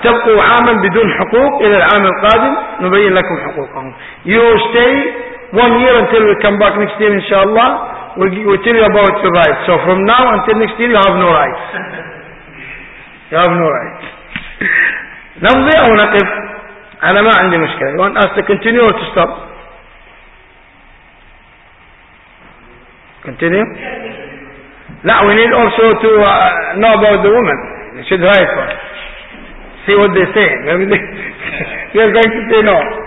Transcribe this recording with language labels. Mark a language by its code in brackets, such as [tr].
[ar] تبقوا عاما بدون حقوق إلى العام القادم نبين لكم حقوقهم. [en] You stay one year until we come back next year inshallah. We tell you about your rights. So from now until next year you have no rights. You have no rights. [ar] نمضي أو نقف؟ أنا ما عندي مشكلة. [en] You want us to continue or to stop? Continue. لا, we need also to know about the woman. You should write for it. See what they say. Maybe they are going to say no.